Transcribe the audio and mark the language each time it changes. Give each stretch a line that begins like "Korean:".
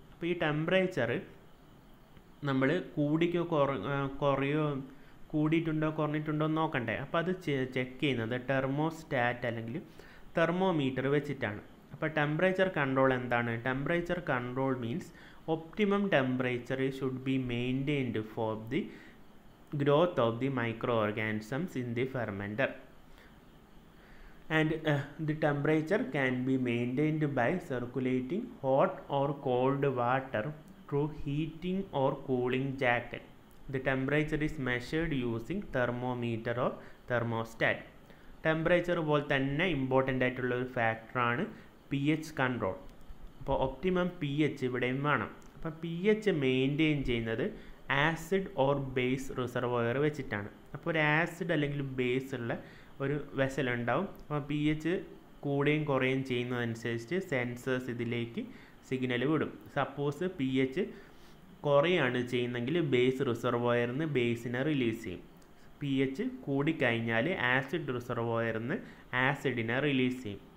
Malayalam: അപ്പോൾ ഈ ടെമ്പറേച്ചർ നമ്മൾ കൂടിക്കോ കുറയോ കൂടിയിട്ടുണ്ടോ കുറഞ്ഞിട്ടുണ്ടോ എന്ന് നോക്കണ്ടേ? അപ്പോൾ അത് ചെക്ക് ചെയ്യുന്നത് ടെർമോസ്റ്റാറ്റ് അല്ലെങ്കിൽ തെർമോമീറ്റർ വെച്ചിട്ടാണ്. അപ്പോൾ ടെമ്പറേച്ചർ കൺട്രോൾ എന്താണ്?
English: Temperature control means optimum temperature should be maintained for the growth of the micro organisms in the fermenter. And the temperature can be maintained by circulating hot or cold water through heating or cooling jacket. The temperature is measured using thermometer or thermostat.
Malayalam: Temperature pol thanne important aayittulla oru factor aanu pH control. Appo optimum pH ividayum vaanam. Appo pH maintain cheynathu acid or base reservoir vechittanu. Appo oru acid allengil base ulla ഒരു vessel ഉണ്ടാവും. അപ്പോൾ P H കൂടുകയും കുറയുകയും ചെയ്യുന്നതനുസരിച്ച് sensors ഇതിലേക്ക് signal വിടും. Suppose P H കുറയാണ് ചെയ്യുന്നതെങ്കിൽ base റിസർവോയറിൽ നിന്ന് ബേസിനെ release ചെയ്യും. പി എച്ച് കൂടിക്കഴിഞ്ഞാൽ ആസിഡ് റിസർവോയറിൽ നിന്ന് ആസിഡിനെ റിലീസ് ചെയ്യും.